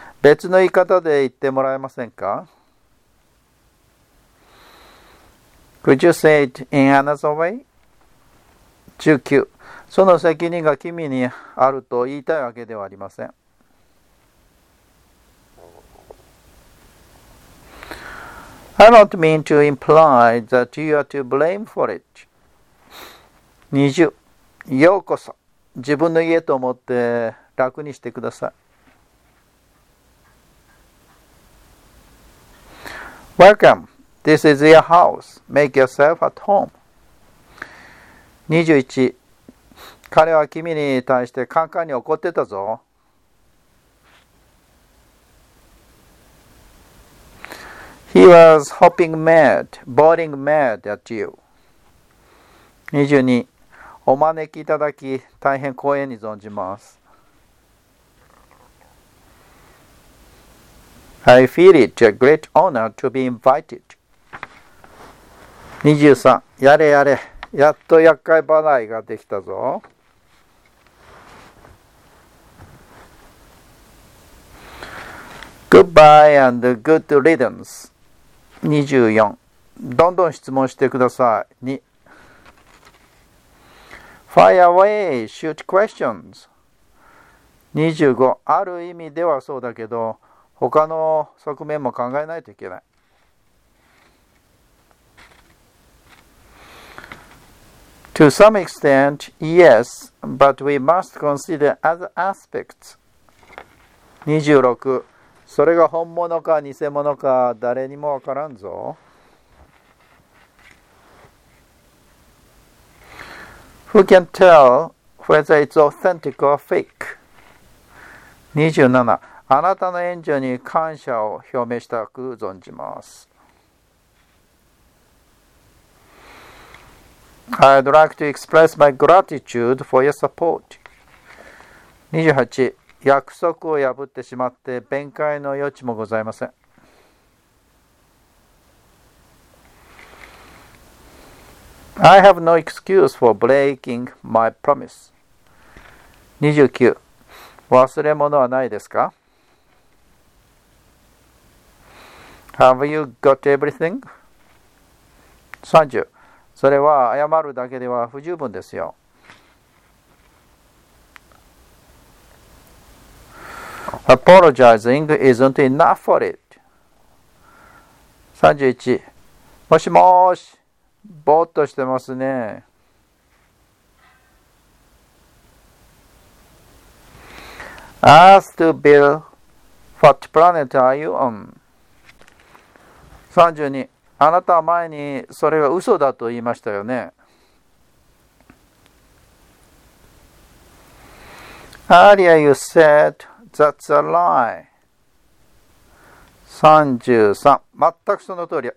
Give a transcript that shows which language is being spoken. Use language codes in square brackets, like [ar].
[ja] 別の言い方で言ってもらえませんか？ [en] Could you say it in another way? 19. [ja] その責任が君にあると言いたいわけではありません。 [en] I don't mean to imply that you are to blame for it. [ja] 20. ようこそ。自分の家と思って楽にしてください。 [en] Welcome. This is your house. Make yourself at home. 21. [ja] 彼は君に対してカンカンに怒ってたぞ。 [en] He was hopping mad, bawling mad at you. 22. [ja] お招きいただき、大変光栄に存じます。 [en] I feel it a great honor to be invited. 23. [ja] やれやれ、やっと厄介払いができたぞ。 [en] Goodbye and good riddance. 24. [ja] どんどん質問してください。 2. [en] Fire away, shoot questions. 25. [ja] ある意味ではそうだけど、他の側面も考えないといけない。 [en] To some extent, yes, but we must consider other aspects. 26. [ja] それが本物か偽物か誰にもわからんぞ。 [en] Who can tell whether it's authentic or fake? [ja] 27. あなたの援助に感謝を表明したく存じます。 [en] I'd like to express my gratitude for your support. 28. [ja] 約束を破ってしまって弁解の余地もございません。 [en] I have no excuse for breaking my promise. 29. [ja] 忘れ物はないですか? [en] Have you got everything? 30. [ja] それは謝るだけでは不十分ですよ。 [en] Apologizing isn't enough for it. 31. [ja] もしもし、ぼーっとしてますね。 [en] Ask to Bill, what planet are you on? 32. [ja] あなたは前にそれが嘘だと言いましたよね。 [en] Earlier you said that's a lie. 33. [ja] 全くその通り。